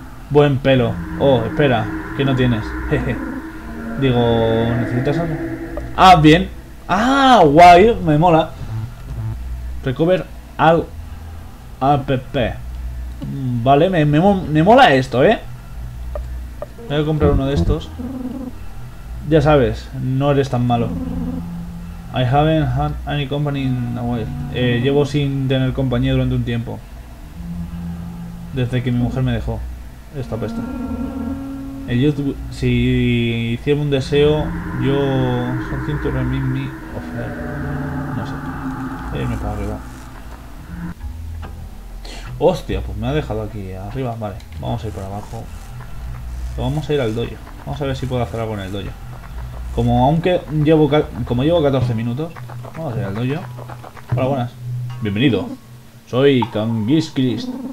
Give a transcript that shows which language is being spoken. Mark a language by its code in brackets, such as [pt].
[es] Buen pelo. Oh, espera, ¿qué no tienes? Jeje. Digo, ¿necesitas algo? Ah, bien. Ah, guay, me mola. Recover al APP. Vale, me mola esto, ¿eh? Voy a comprar uno de estos. Ya sabes, no eres tan malo. [en] I haven't had any company in a while. [es] Llevo sin tener compañía durante un tiempo. Desde que mi mujer me dejó. Esto apesta. Si hiciera un deseo, yo. [en] Something to remind me of her. [es] No sé. Irme para arriba. Hostia, pues me ha dejado aquí arriba. Vale, vamos a ir para abajo. Vamos a ir al dojo. Vamos a ver si puedo hacer algo en el dojo. Como llevo 14 minutos, Vamos a hacer el dojo. Hola, buenas. Bienvenido. Soy Kangis Christ.